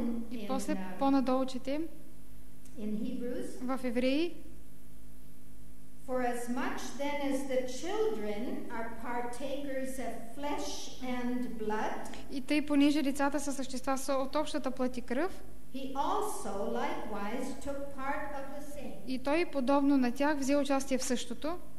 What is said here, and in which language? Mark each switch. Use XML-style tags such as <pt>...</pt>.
<bg>И после по-надолу четем в Евреи</bg> <en>For as much then as the children are partakers of flesh and blood,</en> <bg>и тъй понеже децата са същества са от общата плът и кръв,</bg> <en>he also likewise took part of the same.</en> <bg>И той подобно на тях взе участие в същото.</bg>